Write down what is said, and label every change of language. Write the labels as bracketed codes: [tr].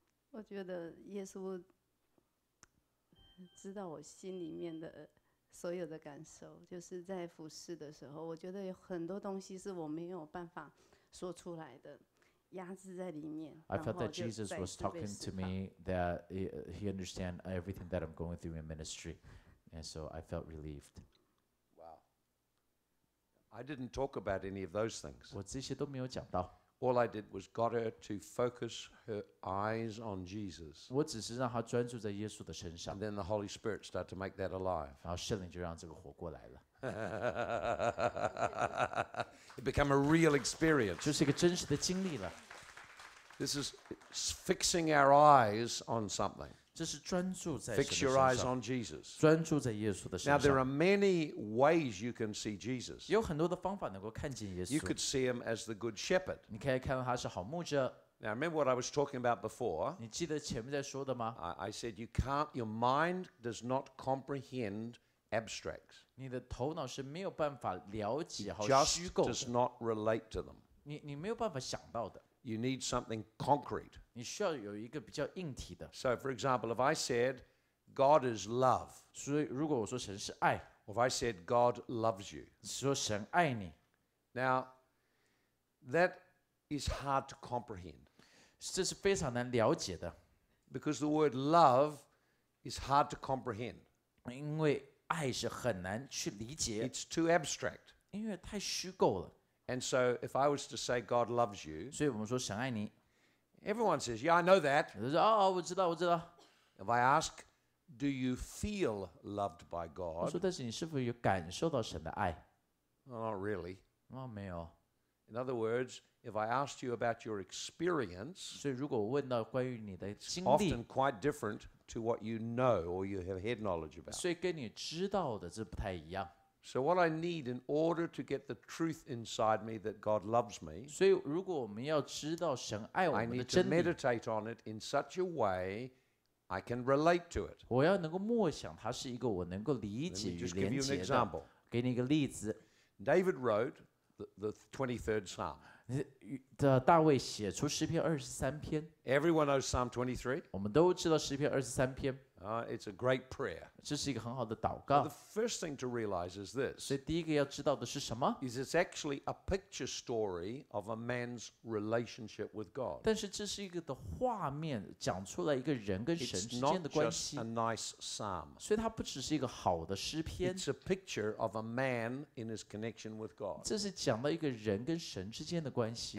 [zh] 我觉得耶稣知道我心里面的所有的感受，就是在服侍的时候，我觉得有很多东西是我没有办法说出来的。 [en] I felt that Jesus was talking to me that he understands everything that I'm going through in ministry. And so I felt relieved. Wow. I didn't talk about any of those things. [zh] 我这些都没有讲到。 [en] All I did was got her to focus her eyes on Jesus. [zh] 我只是让她专注在耶稣的身上。 [en] And then the Holy Spirit started to make that alive. [zh] 然后圣灵就让这个活过来了。 [en] It became a real experience. [zh] 就是一个真实的经历了。 [en] This is fixing our eyes on something. [zh] 这是专注在什么身上。 [en] Fix your eyes on Jesus. [zh] 专注在耶稣的身上。 [en] Now there are many ways you can see Jesus. [zh] 有很多的方法能够看见耶稣。 [en] You could see him as the good shepherd. [zh] 你可以看到他是好牧者。 [en] Now remember what I was talking about before. [zh] 你记得前面在说的吗？ [en] I said you can't, your mind does not comprehend abstracts. [zh] 你的头脑是没有办法了解和虚构的。 [en] It just does not relate to them. [zh] 你没有办法想到的。 [en] You need something concrete. [zh] 你需要有一个比较硬体的。 [en] So for example, if I said God is love, [zh] 所以如果我说神是爱， [en] if I said God loves you, [zh] 说神爱你， [en] now that is hard to comprehend. [zh] 这是非常难了解的。 [en] Because the word love is hard to comprehend. [zh] 因为爱是很难去理解。 [en] It's too abstract. [zh] 因为太虚构了。 [en] And so, if I was to say God loves you, [zh] 所以我们说神爱你， [en] everyone says, yeah, I know that. [zh] 有人说，哦，我知道，我知道。 [en] If I ask, do you feel loved by God? [zh] 我说，但是你是否有感受到神的爱？ [en] Not really. [zh] 哦，没有。 [en] In other words, if I asked you about your experience, [zh] 所以如果我问到关于你的经历， [en] it's often quite different to what you know or you have head knowledge about. [zh] 所以跟你知道的这不太一样。 [en] So what I need in order to get the truth inside me that God loves me, [zh] 所以如果我们要知道神爱我们的真理, [en] I need to meditate on it in such a way I can relate to it. [zh] 我要能够默想它是一个我能够理解与连接的。 [en] Let me just give you an example. [zh] 给你一个例子。 [en] David wrote the 23rd Psalm. [zh] 大卫写出诗篇二十三篇。 [en] Everyone knows Psalm 23. [zh] 我们都知道诗篇二十三篇。 [en] It's a great prayer. [zh] 这是一个很好的祷告。 [en] But the first thing to realize is this. [zh] 所以第一个要知道的是什么? [en] Is it's actually a picture story of a man's relationship with God. [zh] 但是这是一个的画面，讲出来一个人跟神之间的关系。 [en] It's not just a nice psalm. [zh] 所以它不只是一个好的诗篇。 [en] It's a picture of a man in his connection with God. [zh] 这是讲到一个人跟神之间的关系。